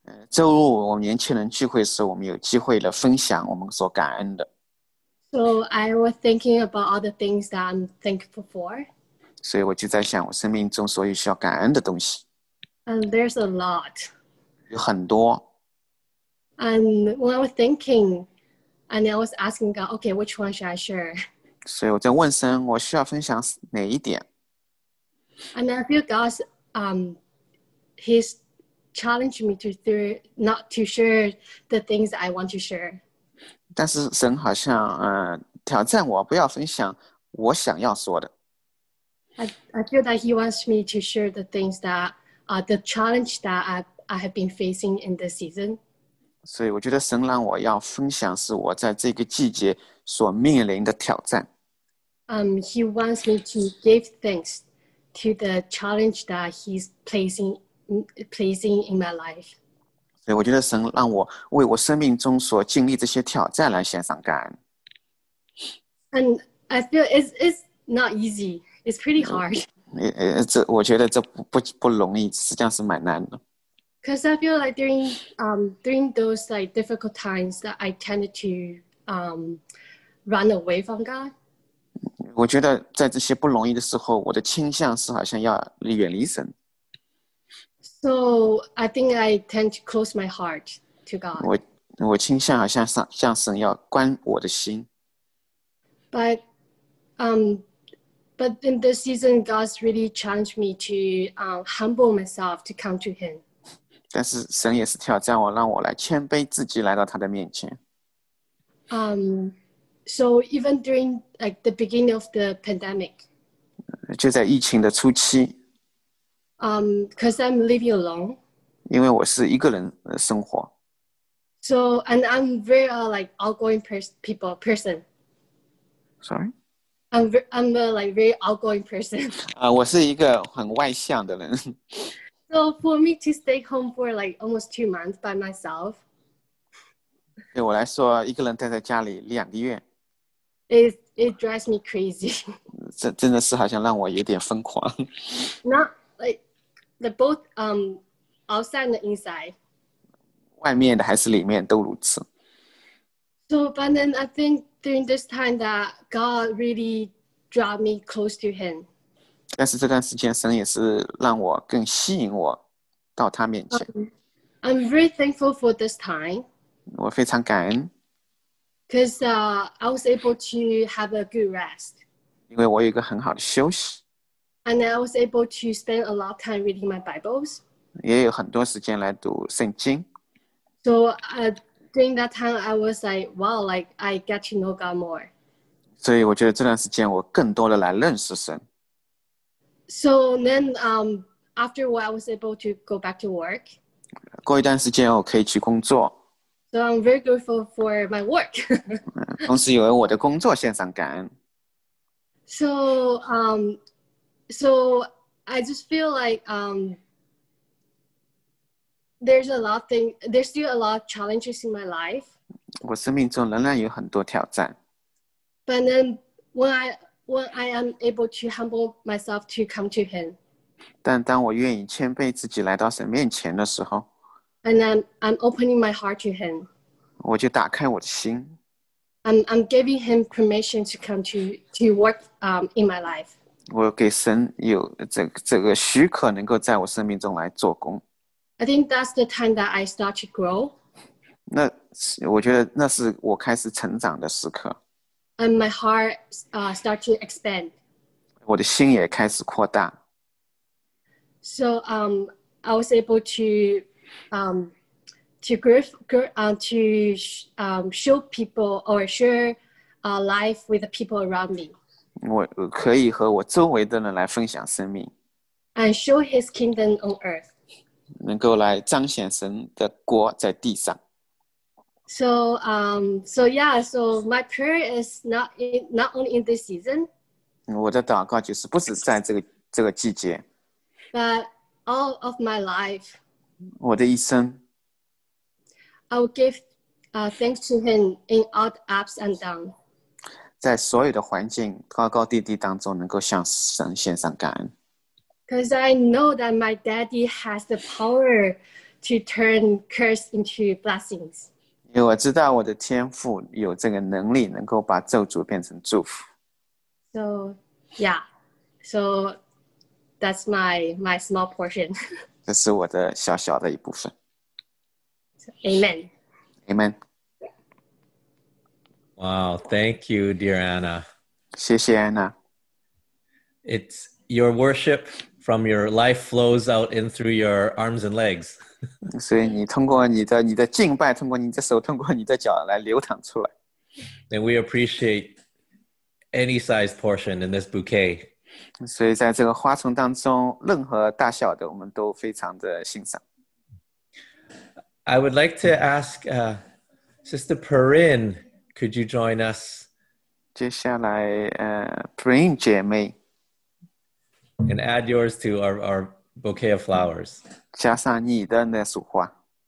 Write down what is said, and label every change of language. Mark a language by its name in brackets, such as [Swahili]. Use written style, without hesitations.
[Chinese] 周五我们年轻人聚会时，我们有机会的分享我们所感恩的。 [English] So I was thinking about all the things that I'm thankful for. [Chinese] 所以我就在想我生命中所有需要感恩的东西。 [English] And there's a lot. [Chinese] 有很多。 [English] And when I was thinking, and I was asking God, okay, which one should I share? [Chinese] 所以我在问神，我需要分享哪一点？ [English] And I feel God's, He's challenged me to through not to share the things I want to share. [Chinese] 但是神好像挑战我不要分享我想要说的。 [English] I feel that He wants me to share the things that the challenge that I have been facing in this season. [Chinese] 所以我觉得神让我要分享是我在这个季节所面临的挑战。 [English] He wants me to give thanks to the challenge that He's placing in my life. [Chinese] 所以我觉得神让我为我生命中所经历这些挑战来献上感恩。 [English] And I feel it's not easy. It's pretty hard. [Chinese] 我觉得这不容易，实际上是蛮难的。 [English] Because I feel like during those like difficult times that I tended to run away from God. [Chinese] 我觉得在这些不容易的时候，我的倾向是好像要远离神。 [English] So I think I tend to close my heart to God. [Chinese] 我倾向好像向神要关我的心。 [English] But in this season, God's really challenged me to humble myself to come to Him. [Chinese] 但是神也是挑战我，让我来谦卑自己，来到他的面前。 [English] So even during like the beginning of the pandemic, [Chinese] 就在疫情的初期。 [English] Because I'm living alone. [Chinese] 因为我是一个人生活。 [English] So and I'm very like outgoing person. Sorry. I'm a like very outgoing person. [Chinese] 我是一个很外向的人。 [English] So for me to stay home for like almost 2 months by myself. [Chinese] 对我来说，一个人待在家里两个月。 [English] It drives me crazy. [Chinese] 真的是好像让我有点疯狂。 [English] Not like the both outside and inside. [Chinese] 外面的还是里面都如此。 [English] So, but then I think during this time that God really draw me close to Him. [Chinese] 但是这段时间，神也是让我更吸引我到他面前。 [English] I'm very thankful for this time. [Chinese] 我非常感恩。 [English] Because I was able to have a good rest. [Chinese] 因为我有一个很好的休息。 [English] And I was able to spend a lot of time reading my Bibles. [Chinese] 也有很多时间来读圣经。 [English] So during that time, I was like, wow, like I get to know God more. [Chinese] 所以我觉得这段时间我更多的来认识神。 [English] So then after a while, I was able to go back to work. [Chinese] 过一段时间我可以去工作。 [English] So I'm very grateful for my work. [Chinese] 同时也为我的工作献上感恩。 [English] So I just feel like there's still a lot of challenges in my life. [Chinese] 我生命中仍然有很多挑战。 [English] But then when I am able to humble myself to come to him. [Chinese] 但当我愿意谦卑自己来到神面前的时候。 [English] And I'm opening my heart to him. [Chinese] 我就打开我的心。 [English] I'm giving him permission to come to work in my life. [Chinese] 我给神有这个许可能够在我生命中来做工。 [English] I think that's the time that I start to grow. [Chinese] 那我觉得那是我开始成长的时刻。 [English] And my heart start to expand. [Chinese] 我的心也开始扩大。 [English] So I was able to show people or share life with the people around me. [Chinese] 我可以和我周围的人来分享生命。 [English] And show his kingdom on earth. [Chinese] 能够来彰显神的国在地上。 [English] So my prayer is not only in this season. [Chinese] 我的祷告就是不只是在这个季节。 [English] But all of my life. [Chinese] 我的一生。 [English] I will give thanks to him in all the ups and downs. [Chinese] 在所有的环境高高低低当中能够向神献上感恩。 [English] Because I know that my daddy has the power to turn curse into blessings. [Chinese] 因为我知道我的天父有这个能力能够把咒诅变成祝福。 [English] So, yeah. So, that's my small portion. [Chinese] 这是我的小小的一部分。 [English] Amen. Amen. Wow, thank you, dear Anna. [Chinese] 谢谢 Anna. [English] It's your worship. From your life flows out in through your arms and legs. [Chinese] 所以你通过你的敬拜，通过你的手，通过你的脚来流淌出来。 [English] And we appreciate any size portion in this bouquet. [Chinese] 所以在这个花丛当中，任何大小的，我们都非常的欣赏。 [English] I would like to ask Sister Perrine, could you join us? [Chinese] 接下来Perrine 姐妹。 [English] And add yours to our bouquet of flowers. [Chinese] 加上你的那束花。